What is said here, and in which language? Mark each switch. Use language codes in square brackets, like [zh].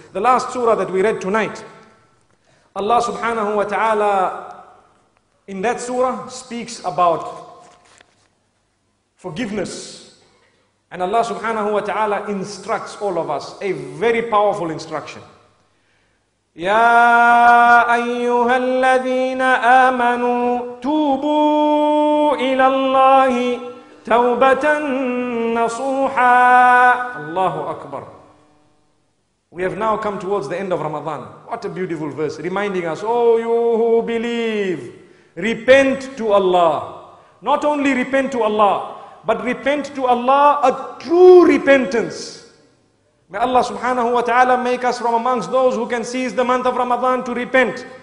[en] The last surah that we read tonight, Allah subhanahu wa ta'ala in that surah speaks about forgiveness. And Allah subhanahu wa ta'ala instructs all of us a very powerful instruction. [ar] يا أيها الذين آمنوا توبوا إلى الله توبة نصوحا. الله أكبر. [en] We have now come towards the end of Ramadan. What a beautiful verse reminding us, oh you who believe, repent to Allah. Not only repent to Allah, but repent to Allah a true repentance. May Allah subhanahu wa ta'ala make us from amongst those who can seize the month of Ramadan to repent.